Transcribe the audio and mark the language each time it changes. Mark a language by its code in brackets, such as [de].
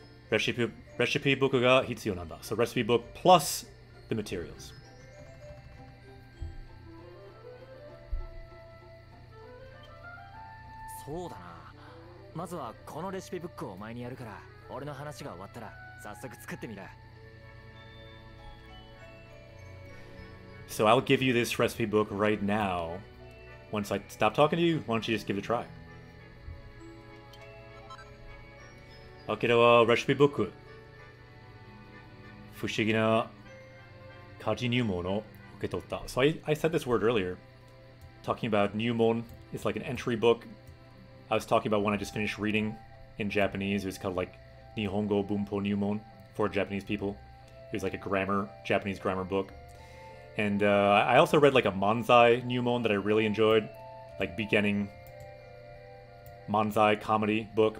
[ja] レシピブックが必要なんだ。 [en] So recipe book plus the materials. [ja] そうだな。まずはこのレシピブックを前にやるから、俺の話が終わったら早速作ってみる。 [en] So I'll give you this recipe book right now. Once I stop talking to you, why don't you just give it a try? Okay, the recipe book. [ja] 不思議な家事入門を受け取った。 [en] So I said this word earlier. Talking about 入門, it's like an entry book. I was talking about one I just finished reading in Japanese. It was called like Nihongo Bunpo Nyumon for Japanese people. It was like a grammar, Japanese grammar book. And I also read like a manzai Nyumon that I really enjoyed, like beginning manzai comedy book.